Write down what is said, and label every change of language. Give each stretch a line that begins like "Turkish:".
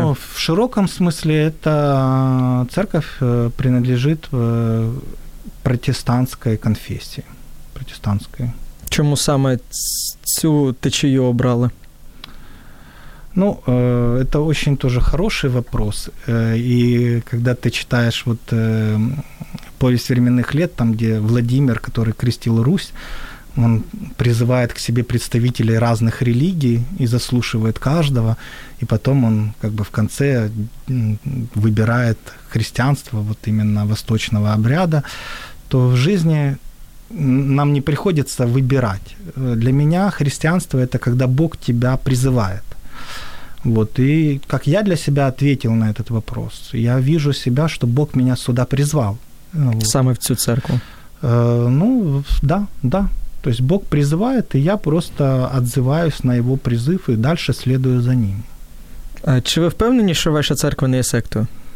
Ukrainian: Ну, в широкому смислі ця церква принадлежить протестантській конфесії. Протестантської. Чому саме цю течію обрали? Ну, це дуже теж хороший вопрос. І коли ти читаєш
Russian: вот, «Повість временних лет»,
Ukrainian: там, де Владимир, який крестив Русь,
Russian: он призывает к себе представителей разных религий и заслушивает каждого, и потом он как бы в конце выбирает христианство, вот именно восточного обряда, то в жизни нам не приходится выбирать. Для меня христианство – это когда Бог тебя призывает. Вот, и как я для себя ответил на этот вопрос, я вижу себя, что Бог меня сюда призвал.
Ukrainian: Самый в цю церковь?
Russian: Ну, да. То есть Бог призывает, и я просто отзываюсь на его призыв и дальше следую за ним.
Ukrainian: А чи ви впевнені, що ваша церква не є сектою?